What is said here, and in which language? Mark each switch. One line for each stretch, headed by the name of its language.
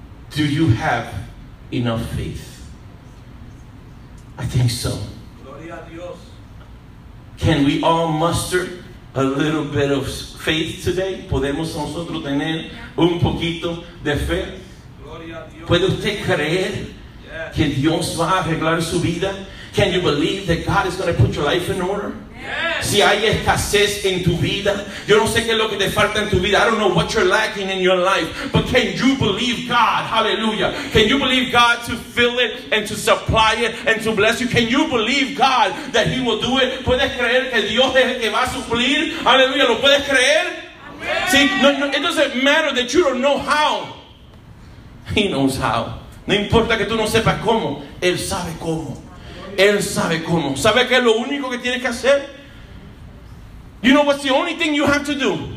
English: Do you have enough faith? I think so.
Spanish: Gloria a Dios.
English: Can we all muster a little bit of faith today?
Spanish: ¿Podemos nosotros tener un poquito de fe? Gloria a Dios. ¿Puede usted creer que Dios va a arreglar su vida?
English: Can you believe that God is going to put your life in order? Yes.
Spanish: Si hay escasez en tu vida, yo no sé qué es lo que te falta en tu vida.
English: I don't know what you're lacking in your life, but can you believe God?
Spanish: Hallelujah.
English: Can you believe God to fill it and to supply it and to bless you? Can you believe God that He will do it?
Spanish: ¿Puedes creer que Dios es el que va a suplir? Hallelujah. ¿Lo puedes creer?
English: Amen. See, no, it doesn't matter that you don't know how. He knows how.
Spanish: No importa que tú no sepas cómo, Él sabe cómo. Él sabe cómo. ¿Sabe qué es lo único que tiene que hacer?
English: You know what's the only thing you have to do?